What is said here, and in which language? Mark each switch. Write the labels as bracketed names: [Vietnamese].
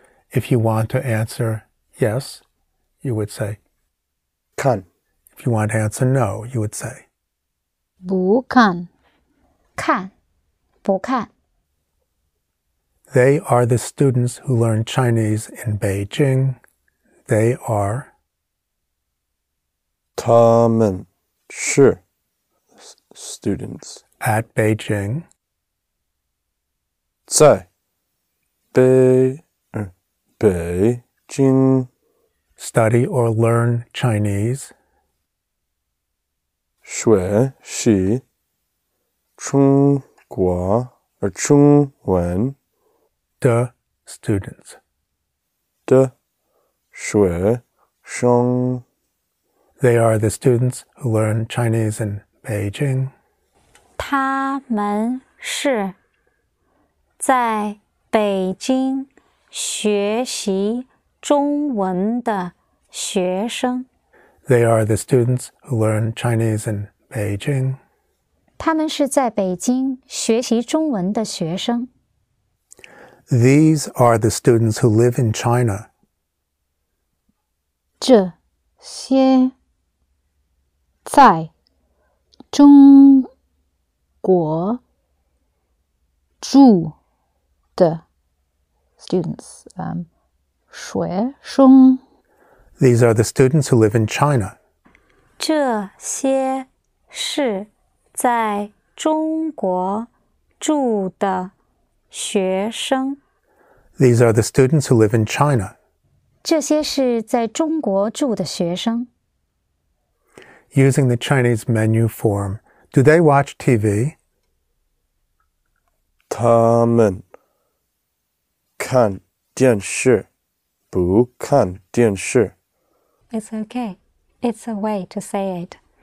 [English] If you want to answer yes, you would say [Chinese] 看. [English] If you want to answer no, you would say [Chinese] 不看看不看. [English] They are the students who learn Chinese in Beijing. They are [Chinese] 他们是 students [English] at Beijing [Chinese] 在北京 [English] study or learn Chinese [Chinese] 学习中国or 中文 [English] the students [Chinese] 的学生 [English] They are the students who learn Chinese in Beijing. [Chinese] 他们是在北京学习中文的学生。 [English] They are the students who learn Chinese in Beijing. [Chinese] 他们是在北京学习中文的学生。 [English] These are the students who live in China. [Chinese] 这些在中国住的 students, 学生。 [English] These are the students who live in China. [Chinese] 这些是在中国住的学生。 [English] These are the students who live in China. [Chinese] 这些是在中国住的学生。 [English] Using the Chinese menu form, do they watch TV? [Chinese] 他们看电视不看电视。 [English] It's okay. It's a way to say it.